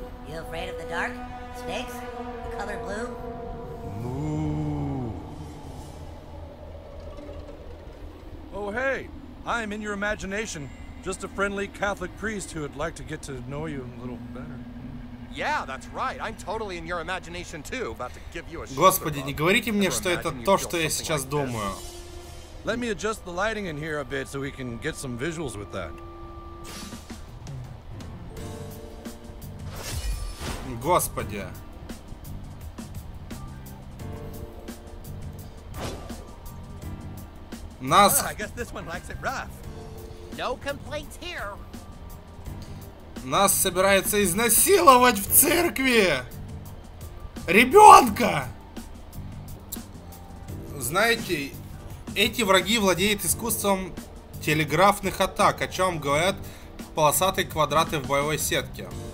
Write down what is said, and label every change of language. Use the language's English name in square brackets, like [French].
[English] You afraid of the dark? Snakes? The color blue? Moo. Oh, hey. I'm in your imagination. Just a friendly Catholic priest who would like to get to know you a little better. Yeah, that's right. I'm totally in your imagination too. About to give you a... [Russian] Господи, не говорите мне, что это то, что я сейчас думаю. [English] Let me adjust the lighting in here a bit so we can get some visuals with that. [Russian] Господи. Нас... [English] Well, I guess this one likes it rough. No complaints here. [Russian] Нас собирается изнасиловать в церкви. Ребенка. Знаете, эти враги владеют искусством телеграфных атак, о чем говорят полосатые квадраты в боевой сетке.